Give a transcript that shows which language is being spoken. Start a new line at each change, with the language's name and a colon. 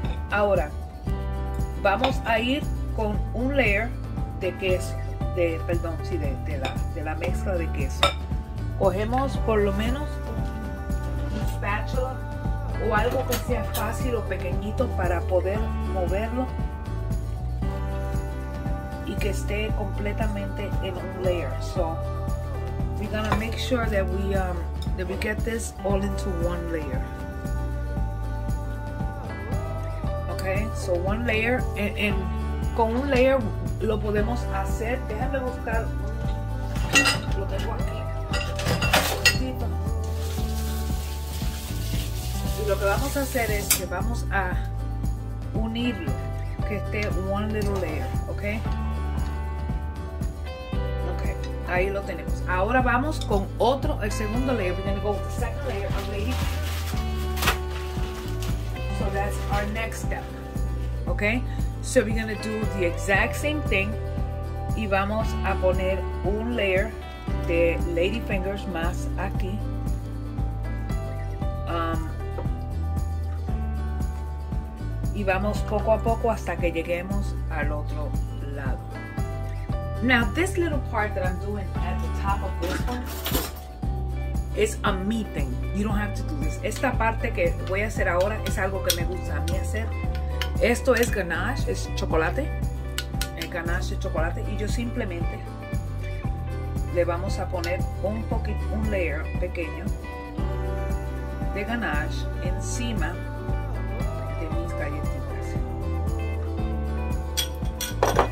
Spanish: Ahora vamos a ir con un layer de queso, de la mezcla de queso. Cogemos por lo menos un spatula o algo que sea fácil o pequeñito para poder moverlo y que esté completamente en un layer.
English: So, we're gonna make sure that we get this all into one layer.
Spanish: Okay, so one layer, and con un layer lo podemos hacer. Déjame buscar, lo tengo aquí. Y lo que vamos a hacer es que vamos a unirlo, que esté one little layer, okay? Okay, ahí lo tenemos. Ahora vamos con otro, el segundo layer.
English: We're gonna go with the second layer of lady. So that's our next step. Okay, so we're gonna do the exact same thing y vamos a poner un layer de lady fingers más aquí.
Spanish: Y vamos poco a poco hasta que lleguemos al otro lado.
English: Now this little part that I'm doing at the top of this one is a me thing. You don't have to do this.
Spanish: Esta parte que voy a hacer ahora es algo que me gusta a mí hacer. Esto es ganache, es chocolate. El ganache es chocolate. Y yo simplemente le vamos a poner un poquito, un layer pequeño de ganache encima de mis galletitas.